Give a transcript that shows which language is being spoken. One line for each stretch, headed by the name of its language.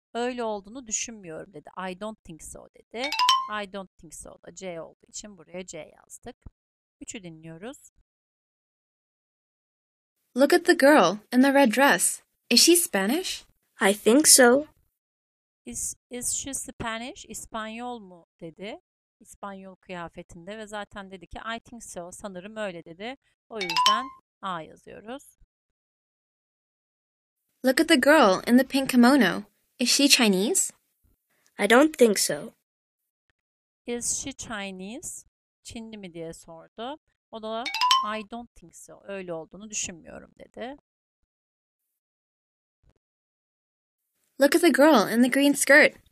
Turkish: Öyle olduğunu düşünmüyorum dedi.
English: I don't think so
Turkish: dedi.
English: I don't think so
Turkish: da C olduğu için buraya C yazdık. Üçü dinliyoruz.
English: Look at the girl in the red dress. Is she Spanish? I think so. Is she Spanish?
Turkish: İspanyol mu dedi. İspanyol kıyafetinde ve zaten dedi ki
English: I think so.
Turkish: Sanırım öyle dedi. O yüzden A yazıyoruz.
English: Look at the girl in the pink kimono. Is she Chinese? I don't think so. Is she Chinese?
Turkish: Çinli mi diye sordu. O da
English: I don't think so.
Turkish: Öyle olduğunu düşünmüyorum dedi.
English: Look at the girl in the green skirt.